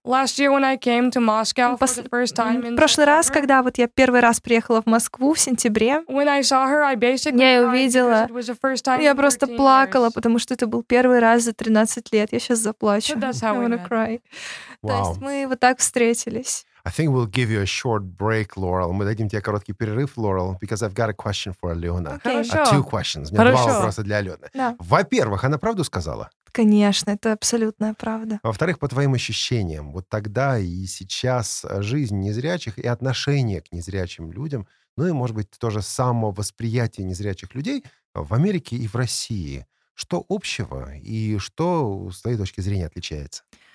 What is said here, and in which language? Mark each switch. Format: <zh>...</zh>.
<ru>Прошлый раз, когда вот я первый раз приехала в Москву в сентябре, я ее увидела, я просто плакала, потому что это был первый раз за 13 лет. Я сейчас заплачу.</ru> <en>So I wanna cry. Wow.</en> <ru>То есть мы вот так встретились.</ru> <en>I think we'll give you a short break, Laurel.</en> <ru>Мы дадим тебе короткий перерыв,</ru> <en>Laurel, because I've got a question for Alena. Okay. Two questions.</en> <ru>Хорошо. У меня два вопроса для Алены. Да. Во-первых, она правду сказала? Конечно, это абсолютная правда. Во-вторых, по твоим ощущениям, вот тогда и сейчас жизнь незрячих и отношение к незрячим людям, ну и, может быть, тоже самовосприятие незрячих людей в Америке и в России, что общего и что, с твоей точки зрения, отличается?</ru>